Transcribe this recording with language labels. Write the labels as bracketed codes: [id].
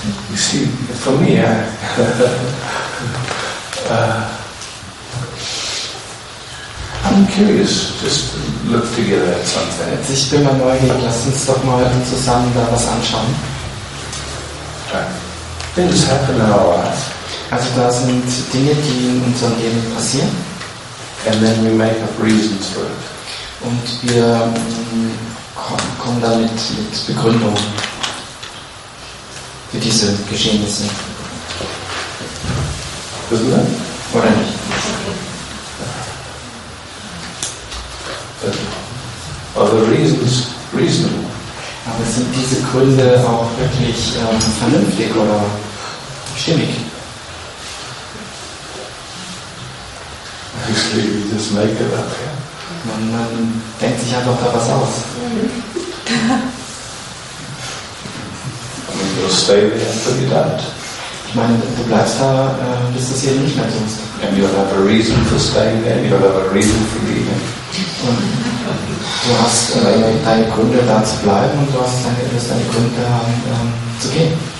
[en] You see, for me, I'm curious. Just look together at something. [de] Jetzt, ich bin mal neugierig. Lass uns doch mal zusammen da was anschauen. [en] Things happen in our lives. [de] Also da sind Dinge, die in unserem Leben passieren. [en] And then we make up reasons for it. [de] Und wir kommen da mit Begründung für diese Geschehnisse. Wissen wir? Oder nicht? [en] Are the reasons reasonable? [de] Aber sind diese Gründe auch wirklich vernünftig oder stimmig? [en] Actually, we just make it up, yeah? [de] Man denkt sich einfach da was aus. [en] Stay there until you die. [de] Ich meine, du bleibst da, bis das hier nicht mehr tust. [en] And you'll have a reason for staying there, you'll have a reason for leaving. [de] Und du hast deine Gründe, da zu bleiben, und du hast deine Gründe, da zu gehen.